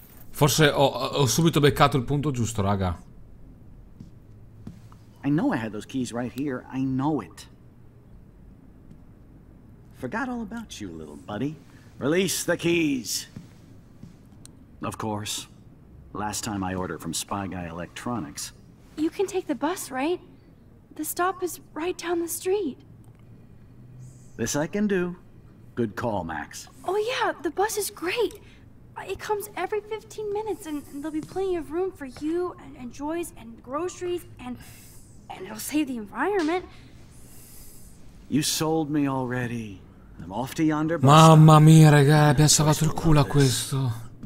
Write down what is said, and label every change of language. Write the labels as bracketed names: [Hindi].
[Italian] Forse ho subito beccato il punto giusto, raga. [English] I know I had those keys right here. I know it. Forgot all about you, little buddy. Release the keys. Of course. Last time I ordered from Spy Guy Electronics. You can take the bus, right? The stop is right down the street. This I can do. Good call, Max. Oh yeah, the bus is great. It comes every 15 minutes and there'll be plenty of room for you and Joyce and groceries and it'll save the environment. You sold me already. I'm off to yonder bus. [Italian] Mamma mia, raga, abbiamo salvato il culo a questo.